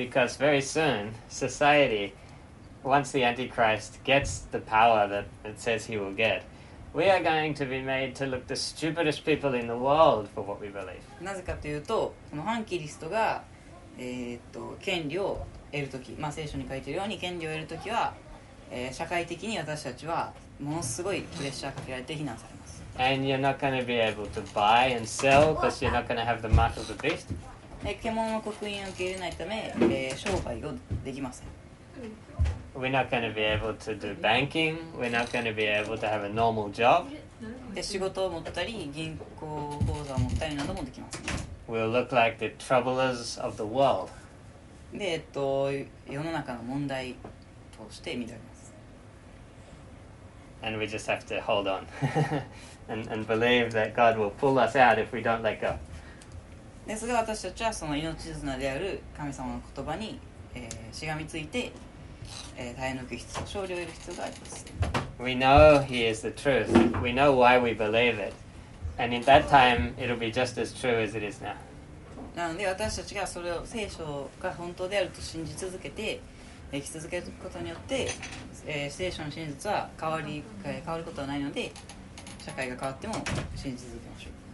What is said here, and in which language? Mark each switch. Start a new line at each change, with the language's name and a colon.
English: Because very soon, society, once the Antichrist gets the power that it says he will get,We are going to be made to look the stupidest people in the world for what we believe.
Japanese: なぜかというと、この反キリストが権利を得るとき、まあ、聖書に書いてるように権利を得るときは、社会的に私たちはものすごいプレッシャーかけられて非難されます。
English: And you're not going to be able to buy and sell because you're not going to have the mark of the beast。
Japanese: 獣の刻印を受け入れないため、商売をできません。
English: We're not going to be able to do banking. We're not going to be able to have a normal job.
Japanese: 仕事を持ったり、銀行口座を持ったりなどもできます。
English: We'll look like the troublers of the world.
Japanese: で、世の中の問題として見られます。
English: And we just have to hold on and believe that God will pull us out if we don't let go.
Japanese: ですが、私たちはその命綱である神様の言葉に、しがみついて、耐え抜く必要、勝利を得る必要があります。
English: We know He is the truth. We know why we believe it. And in that time, it'll be just as true as it is now.
Japanese: なので私たちがそれを聖書が本当であると信じ続けて、生き続けることによって、聖書の真実は変わることはないので、社会が変わっても信じ続けましょう。